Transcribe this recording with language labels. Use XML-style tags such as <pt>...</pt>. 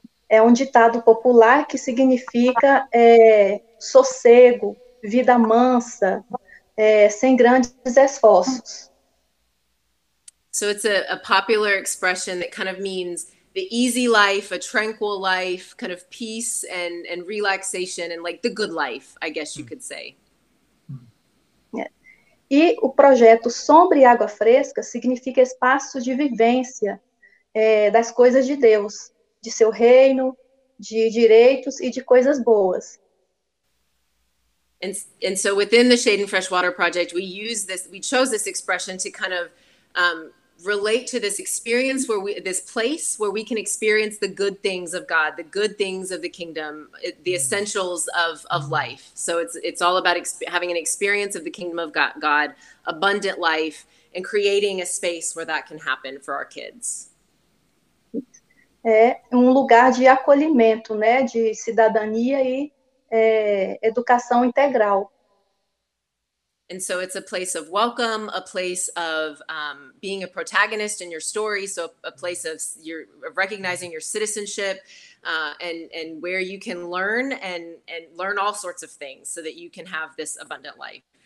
<pt>É ditado popular que significa sossego, vida mansa, sem grandes esforços.</pt> <en>So it's a popular expression that kind of means the easy life, a tranquil life, kind of peace and relaxation, and like the good life, I guess you could say. Yeah.</en> <pt>E o projeto Sombra e Água Fresca significa espaço de vivência das coisas de Deus, de seu reino, de direitos e de coisas boas.</pt> <en>And so within the Shade and Fresh Water Project, we chose this expression to kind of relate to this experience this place where we can experience the good things of God, the good things of the kingdom, the essentials of life. So it's all about having an experience of the kingdom of God, abundant life, and creating a space where that can happen for our kids.</en> <pt>É lugar de acolhimento, né, de cidadania e educação integral.</pt> <en>And so it's a place of welcome, a place of being a protagonist in your story, so a place of your recognizing your citizenship and where you can learn and learn all sorts of things so that you can have this abundant life.</en>